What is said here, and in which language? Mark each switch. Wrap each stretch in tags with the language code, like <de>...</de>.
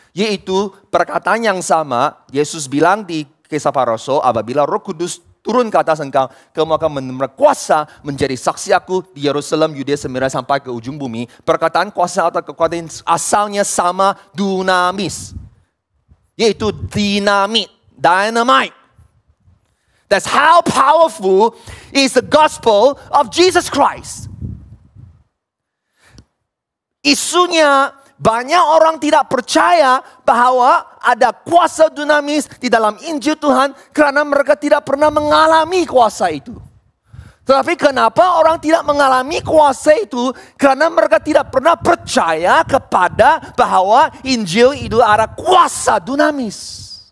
<ms>Yaitu perkataan yang sama Yesus bilang di Kisah Para Rasul, apabila Roh Kudus turun ke atas engkau, kamu akan berkuasa menjadi saksi aku di Yerusalem, Yudea, Samaria sampai ke ujung bumi. Perkataan kuasa atau kekuatan asalnya sama dunamis. Yaitu dinamit, dynamite.</ms> <en>That's how powerful is the gospel of Jesus Christ.</en> <ms>Isunya banyak orang tidak percaya bahwa ada kuasa dunamis di dalam Injil Tuhan kerana mereka tidak pernah mengalami kuasa itu. Tetapi kenapa orang tidak mengalami kuasa itu? Kerana mereka tidak pernah percaya kepada bahwa Injil itu ada kuasa dunamis.</ms>